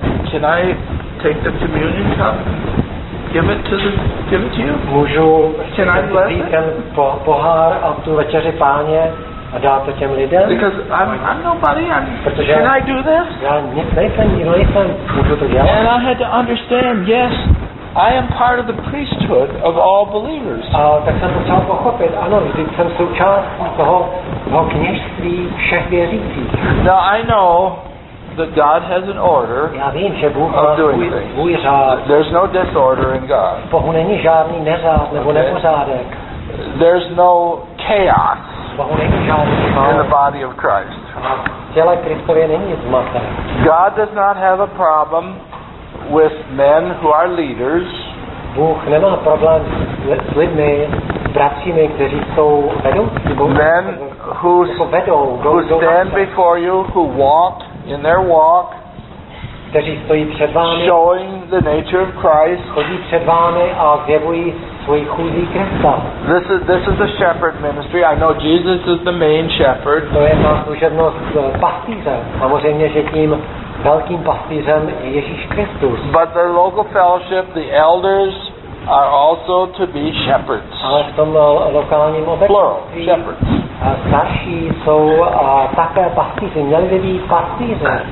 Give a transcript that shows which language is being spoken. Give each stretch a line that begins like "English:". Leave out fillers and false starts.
English: Can I take the communion cup? Give it to you.
Czech: Můžu vzít ten pohár a tu večeři páně a dát to těm lidem?
English: Because I'm nobody. Can I do this?
Czech: Já nejsem nikdo. Můžu to dělat?
English: And I had to understand, yes, I am part of the priesthood of all believers.
Czech: A tak jsem potřeboval pochopit, ano, vždyť jsem součást toho kněžství všech věřících.
English: Now I know that God has an order of doing things. There's no disorder in God.
Czech: Bohu není žádný neřád nebo nepořádek.
English: There's no chaos.
Czech: Bohu není žádný chaos.
English: In the body of Christ.
Czech: Těle Kristově není zmatek.
English: God does not have a problem with men who are leaders.
Czech: Bůh nemá problém s lidmi, bratřími, kteří jsou vedoucí.
English: Men who stand before you, who walk in their walk,
Czech: kteří stojí před vámi,
English: showing the nature of Christ,
Czech: chodí před vámi a zjevují svoji chůzi Krista.
English: This is the shepherd ministry. I know Jesus is the main shepherd.
Czech: To je ta služebnost pastýře. Samozřejmě, že tím velkým pastýřem je Ježíš Kristus.
English: But the local fellowship, the elders, are also to be shepherds.
Czech: Ale v tom lokálním obecství,
English: plural, shepherds.
Czech: Starší jsou také pastýři, měli by být pastýři.